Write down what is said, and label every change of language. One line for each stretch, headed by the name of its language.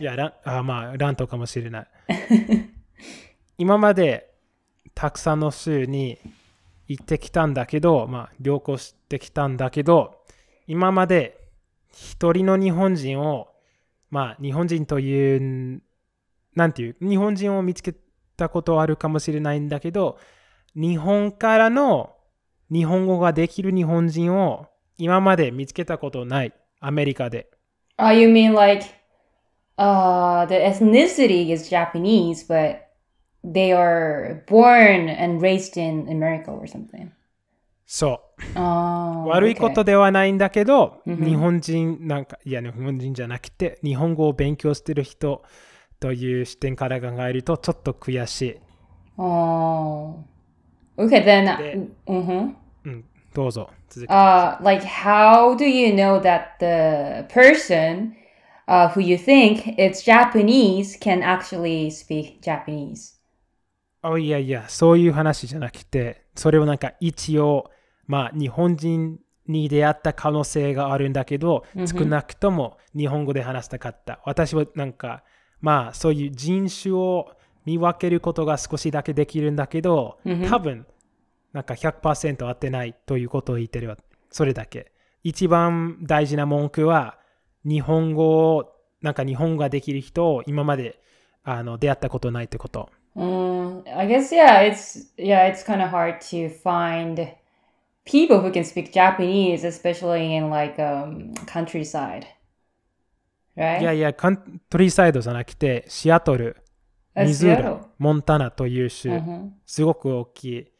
Japanese: いや、まあ、ラントかもしれない。今までたくさんの州に行ってきたんだけど、まあ、旅行してきたんだけど、今まで一人の日本人を、まあ、日本人という、なんていう、日本人を見つけたことあるかもしれないんだけど、日本からの日本語ができる日本人を今まで見つけたことない、アメリカで。
English: Oh, you mean like, the ethnicity is Japanese, but they are born and raised in America or something.
Japanese: そう。
English: Oh, okay.
Japanese: 悪いことではないんだけど、mm-hmm. 日本人なんか、いや、日本人じゃなくて、日本語を勉強してる人という視点から考えると、ちょっと悔しい。
English: Oh. Okay, then,
Japanese: どうぞ。
English: Like, how do you know that the person who you think is Japanese can actually speak Japanese? Oh, yeah, yeah.
Japanese: そういう話じゃなくて、それをなんか一応、まあ、日本人に出会った可能性があるんだけど、少なくとも日本語で話したかった。 Mm-hmm. 私はなんか、まあ、そういう人種を見分けることが少しだけできるんだけど、 mm-hmm. 多分、なんか 100% 合ってないということを言ってるわ。それだけ。一番大事な文句は、日本語を、なんか日本語ができる人を今まで出会ったことないってこと。
English: I guess, yeah, it's kind of hard to find people who can speak Japanese, especially in like, countryside. Right?
Japanese: いやいや、カントリーサイドじゃなくて、シアトル、ミズーラ、モンタナという州、すごく大きい。